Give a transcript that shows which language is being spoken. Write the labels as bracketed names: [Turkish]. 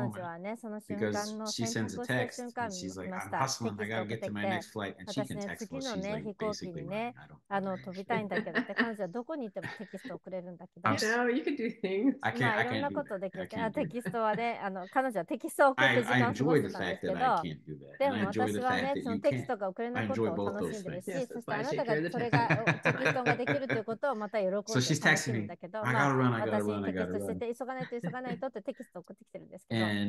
[Japanese] でも彼女はね、その瞬間の選択をした瞬間に見ました。 [English] Because she sends a text. And she's like, I'm hustling. I gotta get to my next flight. And she can text while she's like, basically running. I don't know. [Japanese] 飛びたいんだけどって、彼女はどこに行ってもテキストをくれるんだけど。 [English] No, you can do things. I can't. [Japanese] いろんなことできる。テキストはね、彼女はテキストを送る時間を過ごしたんですけど。でも私はね、そのテキストが送れないことを楽しんでるし、そしてあなたがそれがテキストができるということをまた喜んで楽しんでるんだけど、まあ私テキストしてて急がないとってテキスト送ってきてるんですけど、